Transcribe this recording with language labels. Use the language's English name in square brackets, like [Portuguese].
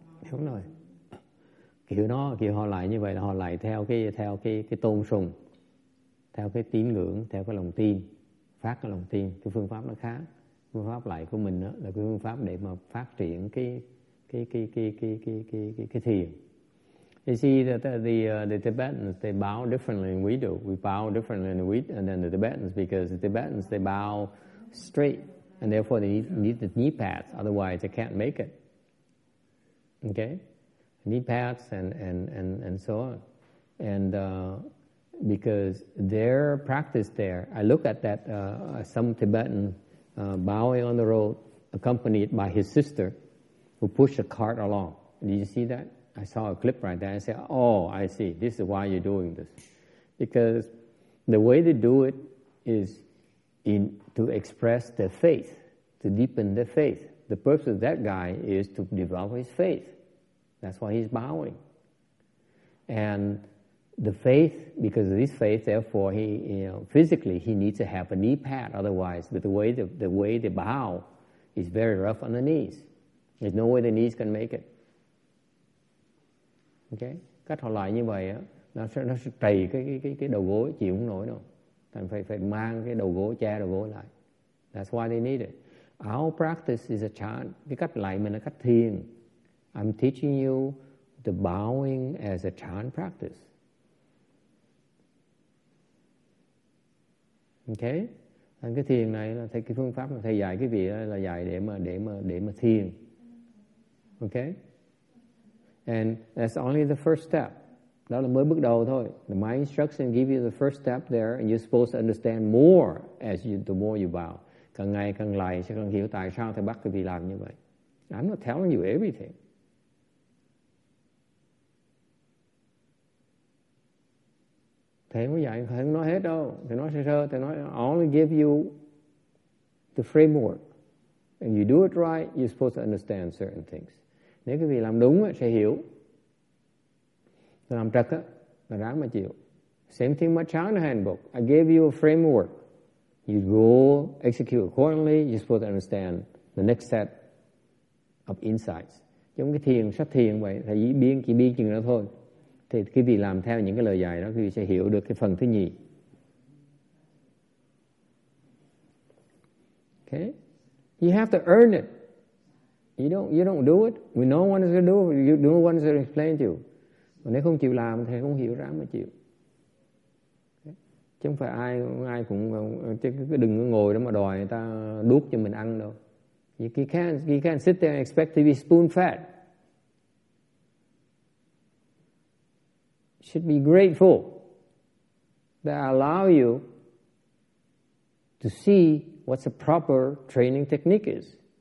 [Vietnamese] Đúng rồi. Kiểu họ lại như vậy là họ lại theo cái tôn sùng, theo cái tín ngưỡng, theo cái lòng tin, phát cái lòng tin. Cái phương pháp nó khác. Phương pháp lại của mình đó là cái phương pháp để mà phát triển cái thiền. [English] You see that the Tibetans, they bow differently than we do. We bow differently than the Tibetans, because the Tibetans, they bow straight, and therefore they need the knee pads, otherwise they can't make it. Okay? Knee pads and so on. And because their practice there, I look at that, some Tibetan bowing on the road, accompanied by his sister, who pushed a cart along. Did you see that? I saw a clip right there. I said, oh, I see. This is why you're doing this. Because the way they do it is to express their faith, to deepen their faith. The purpose of that guy is to develop his faith. That's why he's bowing. And the faith, because of this faith, therefore, physically, he needs to have a knee pad. Otherwise, but the way they bow is very rough on the knees. There's no way the knees can make it. Okay. [Vietnamese] Cách họ lại như vậy á, nó sẽ trầy cái đầu gối, chịu không nổi đâu. Thành phải mang cái đầu gối, che đầu gối lại. [English] That's why they need it. Our practice is a chant. [Vietnamese] Cái cách lại mình là cách thiền. [English] I'm teaching you the bowing as a chant practice. Okay. [Vietnamese] Thành cái thiền này là thầy, cái phương pháp mà thầy dạy cái vị là dạy để mà thiền. [English] Okay. And that's only the first step. [Vietnamese] Đó là mới bước đầu thôi. [English] My instruction give you the first step there, and you're supposed to understand more the more you bow. [Vietnamese] Càng ngày càng lại sẽ càng hiểu tại sao thầy bắt cái vị làm như vậy. [English] I'm not telling you everything. [Vietnamese] Thầy không dạy, thầy không nói hết đâu. Thầy nói sơ sơ, thầy nói [English] I only give you the framework. And you do it right, you're supposed to understand certain things. [Vietnamese] Nếu quý vị làm đúng sẽ hiểu. Làm trật là ráng mà chịu. [English] Same thing with chant handbook. I gave you a framework. You go execute accordingly. You're supposed to understand the next set of insights. [Vietnamese] Giống cái thiền, sách thiền vậy. Thầy chỉ biên chừng đó thôi. Thì quý vị làm theo những cái lời dạy đó, quý vị sẽ hiểu được cái phần thứ nhì. [English] Okay. You have to earn it. You don't do it. We know what is going to do. You do what is going to explain to you. [Vietnamese] Mà nếu không chịu làm thì không hiểu ráng mà chịu. Okay. Chứ không phải ai cũng chứ đừng ngồi đó mà đòi người ta đút cho mình ăn đâu. [English] You can't sit there and expect to be spoon fed. should be grateful that I allow you to see what the proper training technique is.